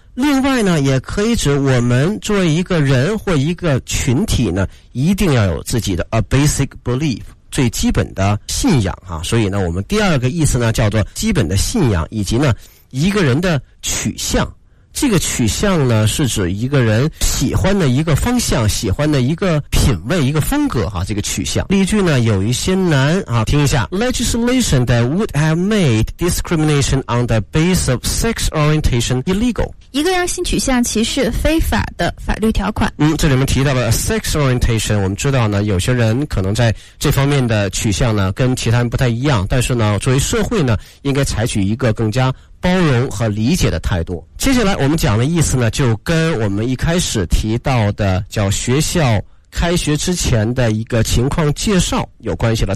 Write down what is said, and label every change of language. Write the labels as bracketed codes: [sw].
[zh] 另外呢，也可以指我们作为一个人或一个群体呢，一定要有自己的 [en] a basic belief， [zh] 最基本的信仰啊。所以呢，我们第二个意思呢，叫做基本的信仰，以及呢，一个人的取向。这个取向呢，是指一个人喜欢的一个方向，喜欢的一个品味，一个风格啊，这个取向。例句呢，有一些难啊，听一下。 [en] Legislation that would have made discrimination on the base of sex orientation illegal。 [zh] 一个让性取向歧视非法的法律条款。这里面提到了 sex orientation， 我们知道呢，有些人可能在这方面的取向呢，跟其他人不太一样，但是呢，作为社会呢，应该采取一个更加包容和理解的态度。接下来我们讲的意思呢，就跟我们一开始提到的叫学校开学之前的一个情况介绍有关系了。